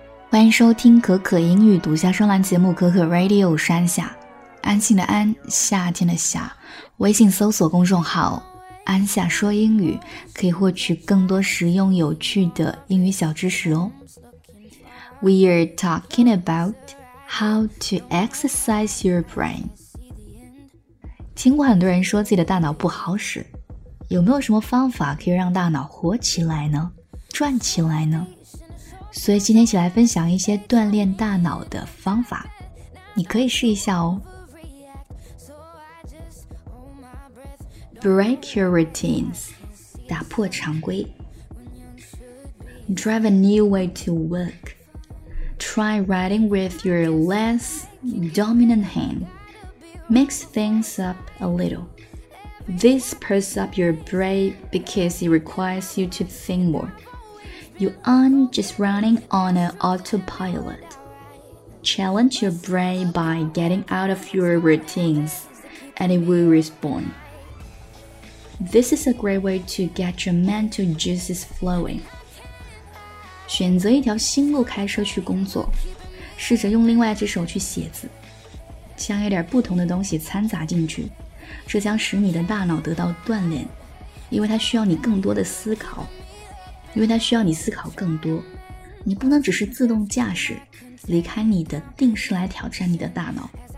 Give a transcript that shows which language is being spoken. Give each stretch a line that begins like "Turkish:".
Chinese: 欢迎收听可可英语独家专栏节目可可 Radio， 山下安心的安，夏天的夏，微信搜索公众号安夏说英语，可以获取更多实用有趣的英语小知识哦。
English: We are talking about how to exercise your brain。
Chinese: 听过很多人说自己的大脑不好使，有没有什么方法可以让大脑活起来呢，转起来呢？所以今天一起来分享一些锻炼大脑的方法，你可以试一下哦。
English: Break your routines，
Chinese: 打破常规。
English: Drive a new way to work， Try writing with your less dominant hand， Mix things up a little。 This perks up your brain because it requires you to think moreYou aren't just running on an autopilot. Challenge your brain by getting out of your routines, and it will respond. This is a great way to get your mental juices flowing.
Chinese: 选择一条新路开车去工作，试着用另外一只手去写字，将一点不同的东西掺杂进去，这将使你的大脑得到锻炼，因为它需要你更多的思考。因为它需要你思考更多，你不能只是自动驾驶，离开你的定式来挑战你的大脑。